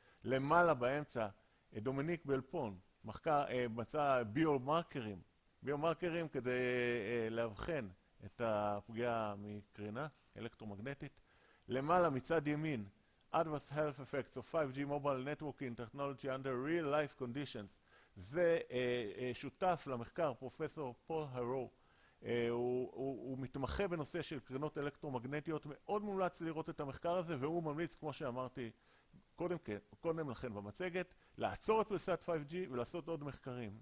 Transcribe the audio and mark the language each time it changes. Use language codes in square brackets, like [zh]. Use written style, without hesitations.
[he] למעלה באמצע, דומיניק בלפון מחקר, מצא ביומרקרים כדי להבחן את הפגיעה מקרינה אלקטרומגנטית. למעלה מצד ימין, [en] Adverse Health Effects of 5G Mobile Networking Technology Under Real Life Conditions. [he] זה שותף למחקר פרופסור פול הרו. הוא מתמחה בנושא של קרינות אלקטרומגנטיות, מאוד מומלץ לראות את המחקר הזה, והוא ממליץ, כמו שאמרתי קודם לכן במצגת, לעצור את פריסת 5G ולעשות עוד מחקרים.